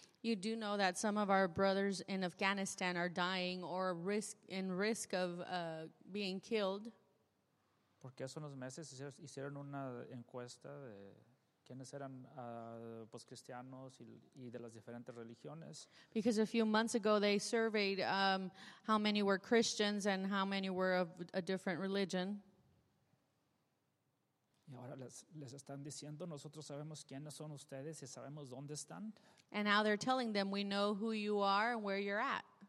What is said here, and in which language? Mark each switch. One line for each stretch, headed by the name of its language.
English: You do know that some of our brothers in Afghanistan are dying or risk of being killed.
Spanish: Porque hace unos meses hicieron una encuesta de quiénes eran pues cristianos y de las diferentes religiones.
English: Because a few months ago they surveyed how many were Christians and how many were of a different religion.
Spanish: Y ahora les están diciendo, nosotros sabemos quiénes son ustedes y sabemos dónde están.
English: And now they're telling them, we know who you are and where you're at.